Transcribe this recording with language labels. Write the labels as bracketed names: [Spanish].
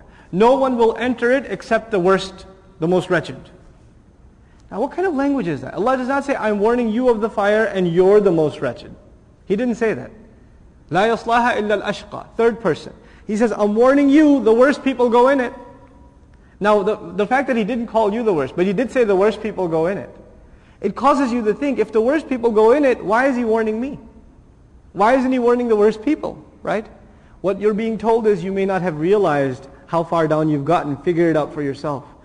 [English] No one will enter it except the worst, the most wretched. Now what kind of language is that? Allah does not say, I'm warning you of the fire and you're the most wretched. He didn't say that. [Arabic] لا يصلاها إلا الأشقى, [English] third person. He says, I'm warning you, the worst people go in it. Now the fact that He didn't call you the worst, but He did say the worst people go in it. It causes you to think, if the worst people go in it, why is He warning me? Why isn't He warning the worst people, right? What you're being told is, you may not have realized how far down you've gotten, figure it out for yourself.